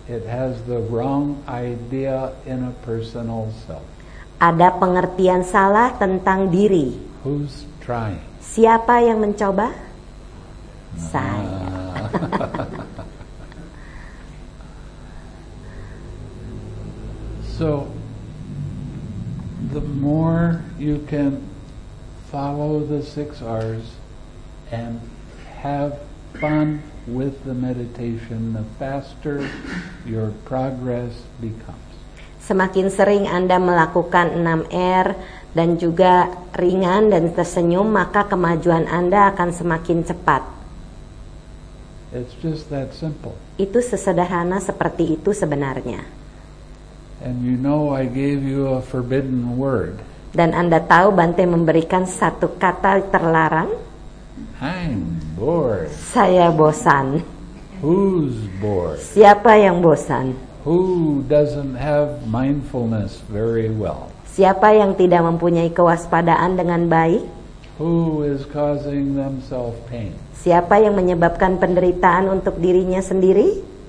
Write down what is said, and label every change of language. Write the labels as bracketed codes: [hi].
[en] It has the wrong idea in a personal self. [id] Ada pengertian salah tentang diri. [en] Who's trying? [id] Siapa yang mencoba? Saya. [en] So, the more you can follow the 6 R's and have fun with the meditation, the faster your progress becomes. [id] Semakin sering Anda melakukan 6 R dan juga ringan dan tersenyum, maka kemajuan Anda akan semakin cepat. [en] It's just that simple. [id] Itu sesederhana seperti itu sebenarnya. [en] And you know I gave you a forbidden word. [id] Dan Anda tahu Bante memberikan satu kata terlarang. [en] I'm bored. [id] Saya bosan. [en] Who's bored? [id] Siapa yang bosan? [en] Who doesn't have mindfulness very well? [id] Siapa yang tidak mempunyai kewaspadaan dengan baik? [en] Who is causing themselves pain? [id] Siapa yang menyebabkan penderitaan untuk dirinya sendiri?